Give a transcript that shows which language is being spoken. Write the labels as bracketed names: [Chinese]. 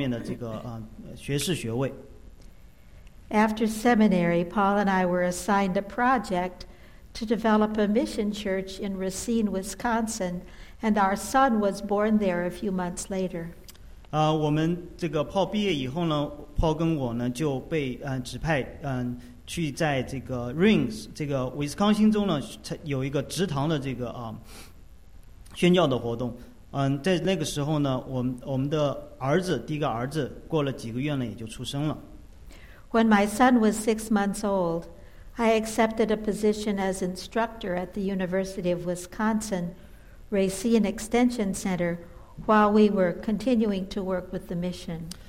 [Chinese] 同样在这个机构的这个大学里面呢，我也完成了我在生物和教育方面的这个学士学位。 [English] After seminary, Paul and I were assigned a project to develop a mission church in Racine, Wisconsin, and our son was born there a few months later. [Chinese] 我们这个Paul毕业以后呢，Paul跟我呢就被指派去在这个Rings这个威斯康星州呢有一个职堂的这个宣教的活动。在那个时候呢，我们的儿子第一个儿子过了几个月呢也就出生了。 [English] When my son was 6 months old, I accepted a position as instructor at the University of Wisconsin Racine Extension Center while we were continuing to work with the mission.